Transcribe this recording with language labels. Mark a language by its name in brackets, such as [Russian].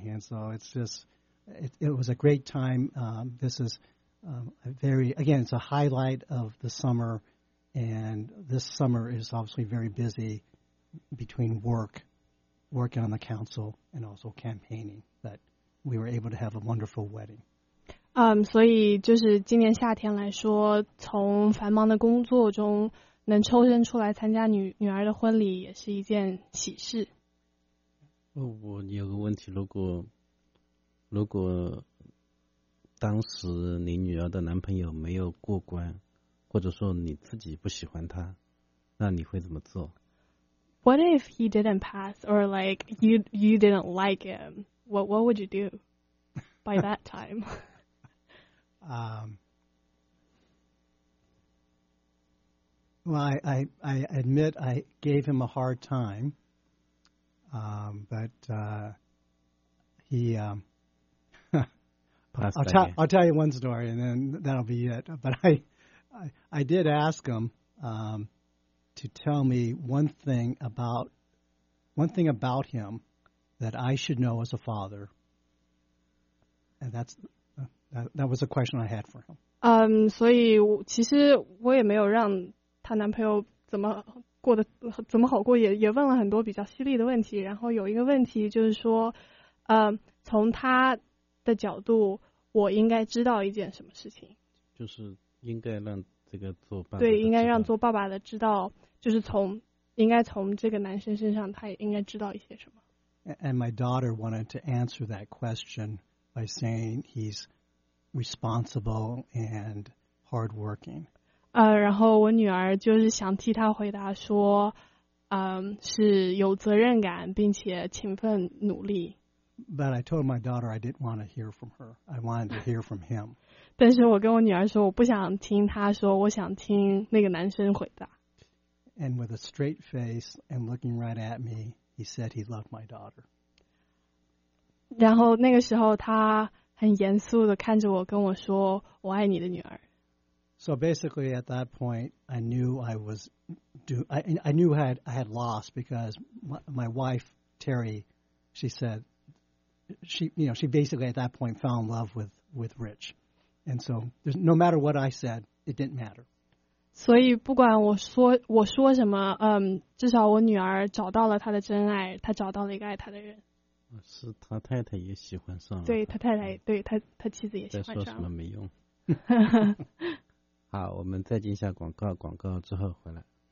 [English] And so it's just, it was a great time. This is it's a highlight of the summer. And this summer is obviously very busy between working on the council and also campaigning. But we were able to have a wonderful wedding. [Chinese] 所以就是今年夏天来说，从繁忙的工作中能抽身出来参加女儿的婚礼也是一件喜事。我有个问题，如果当时你女儿的男朋友没有过关，或者说你自己不喜欢他，那你会怎么做？ [English] What if he didn't pass, or like you didn't like him? What would you do by that time? I admit I gave him a hard time, but I'll tell you one story and then that'll be it. But I did ask him to tell me one thing about him that I should know as a father, and that was a question I had for him. [Chinese] 所以其实我也没有让她男朋友怎么好过，也问了很多比较犀利的问题。然后有一个问题就是说，从他的角度，我应该知道一件什么事情？就是应该让。对，应该让做爸爸的知道，就是应该从这个男生身上，他也应该知道一些什么。 [English] And my daughter wanted to answer that question by saying he's responsible and hardworking. [Chinese] 然后我女儿就是想替他回答说，是有责任感并且勤奋努力。 [English] But I told my daughter I didn't want to hear from her. I wanted to hear from him. [Chinese] 但是我跟我女儿说，我不想听她说，我想听那个男生回答。 [English] And with a straight face and looking right at me, he said he loved my daughter. [Chinese] 然后那个时候，他很严肃的看着我，跟我说：“我爱你的女儿。” [English] So basically, at that point, I knew I was I knew I had lost because my wife Terry, she said. She basically at that point fell in love with Rich, and so there's no matter what I said, it didn't matter. [Chinese] 所以不管我说什么，至少我女儿找到了她的真爱，她找到了一个爱她的人。是她太太也喜欢上了。对她太太，对她妻子也喜欢上了。再说什么没用。好，我们再进一下广告，广告之后回来。